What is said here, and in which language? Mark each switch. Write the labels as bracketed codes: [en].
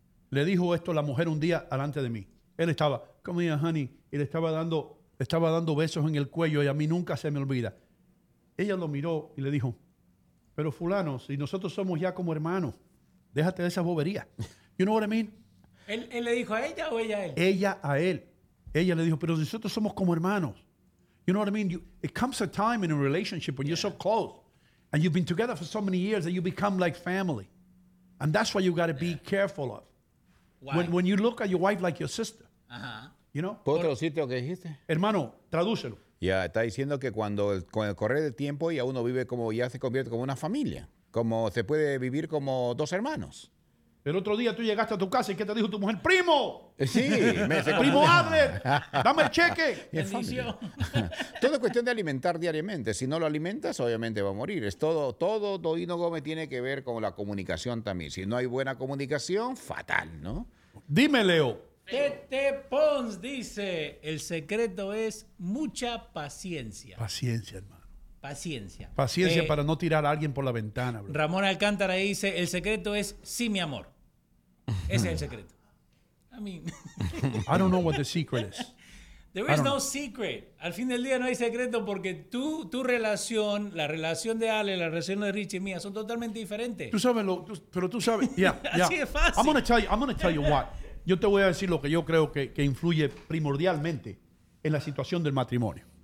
[es] Le dijo esto a la mujer un día delante de mí. Él estaba, [en] come here, honey, [es] y le estaba dando besos en el cuello y a mí nunca se me olvida. Ella lo miró y le dijo, pero fulano, si nosotros somos ya como hermanos, déjate de esa bobería. [en] You know what I mean? [es] ¿Él le dijo a ella o ella a él? Ella a él. Ella le dijo, pero si nosotros somos como hermanos. [en] You know what I mean? It comes a time in a relationship when you're so close and you've been together for so many years that you become like family. And that's why you got to be careful of. When you look at your wife like your sister. You know? [es] ¿Puedo traducirte lo que dijiste? Hermano, tradúcelo. Ya, está diciendo que cuando con el correr del tiempo ya uno vive como, ya se convierte como una familia. Como se puede vivir como dos hermanos. El otro día tú llegaste a tu casa y ¿qué te dijo tu mujer? ¡Primo! Sí. ¡Primo Adler! ¡Dame el cheque! ¡Bendición! Todo es cuestión de alimentar diariamente. Si no lo alimentas, obviamente va a morir. Es todo, todo Doino Gómez tiene que ver con la comunicación también. Si no hay buena comunicación, fatal, ¿no? Dime, Leo. Tete Pons dice, el secreto es mucha paciencia. Paciencia, hermano. Paciencia. Paciencia para no tirar a alguien por la ventana. Bro. Ramón Alcántara dice, el secreto es sí, mi amor. Ese es el secreto. [en] I mean... I don't know what the secret is. There is no secret. [es] Al fin del día no hay secreto porque tu relación, la relación de Ale, la relación de Richie y mía son totalmente diferentes. Tú sabes, pero tú sabes... Yeah. Así es fácil. [en] I'm gonna tell you what. [es] Yo te voy a decir lo que yo creo que influye primordialmente en la situación del matrimonio.